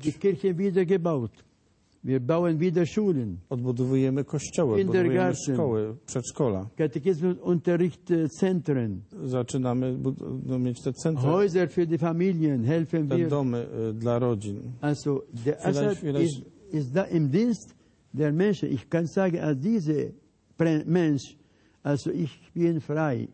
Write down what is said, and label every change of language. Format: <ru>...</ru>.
<de>Die Kirche wieder gebaut. Wir bauen wieder Schulen.</de> <pl>Odbudowujemy kościoły, odbudowujemy szkoły, przedszkola.</pl> <de>Katechismusunterrichtzentren.</de> <pl>Zaczynamy mieć te centra.</pl> <de>Häuser für die Familien helfen wir.</de> <pl>Te domy dla rodzin.</pl> <de>Also der Assad ist da im Dienst der Menschen. Ich kann sagen, als dieser Mensch, also ich bin frei.</de>